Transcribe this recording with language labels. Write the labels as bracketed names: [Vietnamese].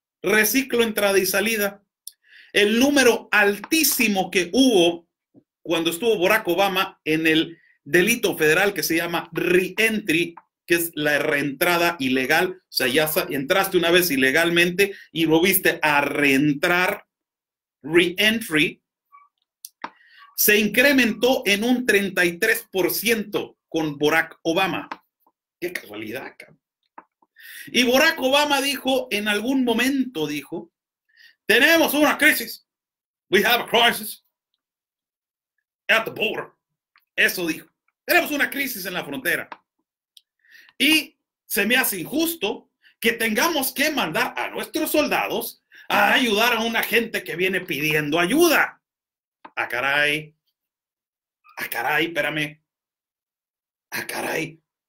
[Spanish] Reciclo entrada y salida. El número altísimo que hubo cuando estuvo Barack Obama en el delito federal que se llama re-entry, que es la reentrada ilegal, o sea, ya entraste una vez ilegalmente y volviste a reentrar, re-entry, se incrementó en un 33% con Barack Obama. Qué casualidad, cabrón. Y Barack Obama dijo, en algún momento dijo, tenemos una crisis. [English] We have a crisis at the border. [Spanish] Eso dijo. Tenemos una crisis en la frontera. Y se me hace injusto que tengamos que mandar a nuestros soldados a ayudar a una gente que viene pidiendo ayuda. ¡A caray! ¡A caray, espérame! ¡A caray!